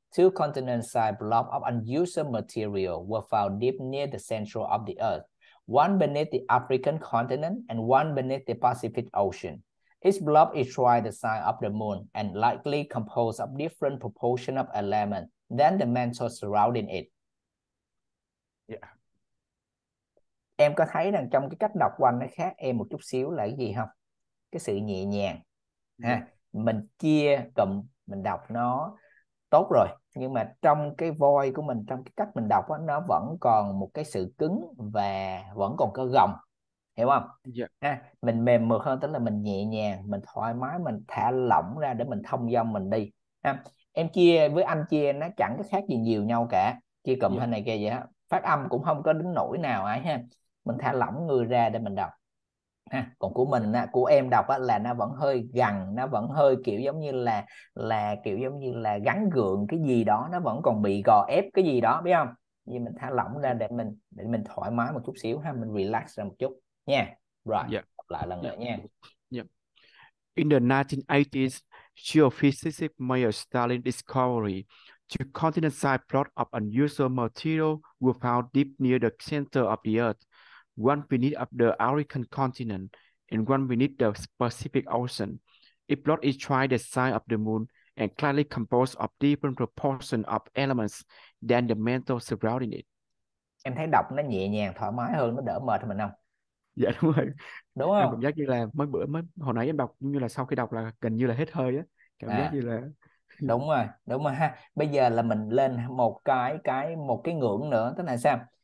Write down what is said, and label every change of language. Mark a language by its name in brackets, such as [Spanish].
[English] Two continent-sized blocks of unusual material were found deep near the center of the Earth, one beneath the African continent and one beneath the Pacific Ocean. Each block is twice the size of the moon and likely composed of different proportions of elements than the mantle surrounding it. Yeah. [Vietnamese] Em có thấy rằng trong cái cách đọc của anh nó khác em một chút xíu là cái gì không? Cái sự nhẹ nhàng. Ha, mình chia cụm mình đọc nó tốt rồi, nhưng mà trong cái voice của mình, trong cái cách mình đọc đó, nó vẫn còn một cái sự cứng và vẫn còn có gồng, hiểu không? [English] Yeah. [Vietnamese] Ha, mình mềm mượt hơn, tức là mình nhẹ nhàng, mình thoải mái, mình thả lỏng ra để mình thông dong mình đi. Ha, em chia với anh chia nó chẳng có khác gì nhiều nhau cả, chia cụm hay này kia vậy đó. Phát âm cũng không có đến nỗi nào ấy ha, mình thả lỏng người ra để mình đọc. Ha, còn của mình á, của em đọc á, là nó vẫn hơi gằn, nó vẫn hơi kiểu giống như là kiểu giống như là gắn gượng cái gì đó, nó vẫn còn bị gò ép cái gì đó, biết không? Vì mình thả lỏng ra để mình thoải mái một chút xíu ha, mình relax ra một chút nha. Rồi, right. Lại lần nữa nha. [English] In the 1980s, geophysicists made a startling discovery. Two continent-sized blocks of unusual material were found deep near the center of the Earth, one beneath of the African continent and one beneath the Pacific Ocean. Each block is twice the size of the moon and clearly composed of different proportions of elements than the mantle surrounding it. [Vietnamese] Em thấy đọc nó nhẹ nhàng, thoải mái hơn, nó đỡ mệt mình không? Dạ đúng rồi. Đúng không? Em cảm giác như là mới bữa mới hồi nãy em đọc như là sau khi đọc là gần như là hết hơi á. Cảm giác như là đúng rồi ha. Bây giờ là mình lên một cái ngưỡng nữa, tức là sao?